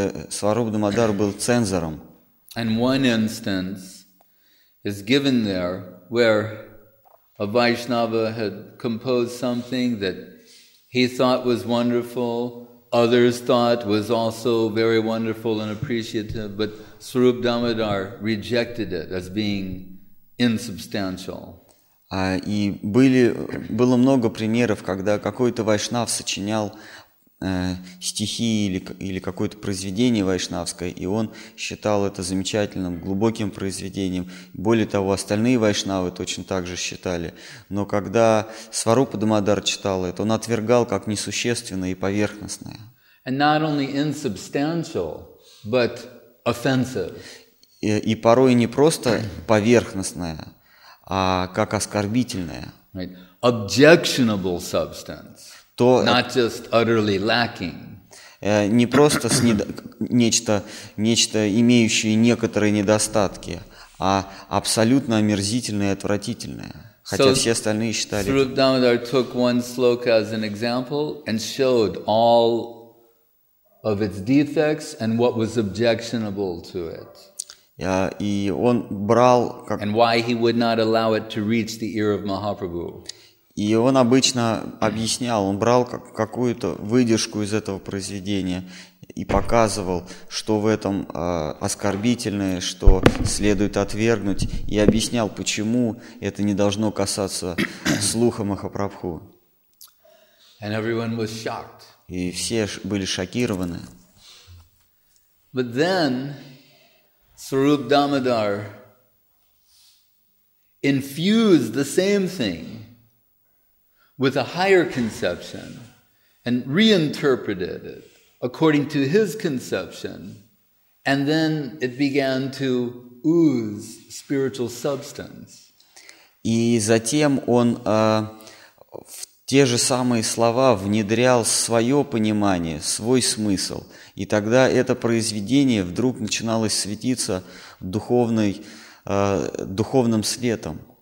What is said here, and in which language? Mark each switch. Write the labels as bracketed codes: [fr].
[ru] Сваруп Дамодар был цензором. [en] And one instance is given there where a Vaishnava had composed something that he thought was wonderful, others thought was also very wonderful and appreciative, but Swarup Damodar rejected it as being insubstantial. [ru] И было много примеров, когда какой-то вайшнав сочинял стихи или какое-то произведение вайшнавское, и он считал это замечательным, глубоким произведением. Более того, остальные вайшнавы точно так же считали. Но когда Сварупа Дамодар читал это, он отвергал как несущественное и поверхностное. [en] And not only insubstantial, but offensive. [ru] И порой не просто поверхностное, а как оскорбительное. [en] Right. Objectionable substance. Тот то not just utterly lacking. [ru] Не просто нечто имеющее некоторые недостатки, а абсолютно омерзительное и отвратительное. Хотя [en] so, [ru] все остальные считали. [en] Sri Rupa Damodar took one sloka as an example and showed all of its defects and what was objectionable to it. [ru] И он брал. [en] And why he would not allow it to reach the ear of Mahaprabhu. [ru] И он обычно объяснял, он брал какую-то выдержку из этого произведения и показывал, что в этом оскорбительное, что следует отвергнуть, и объяснял, почему это не должно касаться слуха Махапрабху. [en] And everyone was shocked. [ru] И все были шокированы. [en] But then Swarup Damodar infused the same thing with a higher conception and reinterpreted it according to his conception, and then it began to ooze spiritual substance. [ru] И затем он в те же самые слова внедрял свое понимание, свой смысл, и тогда это произведение вдруг начиналось светиться духовным светом.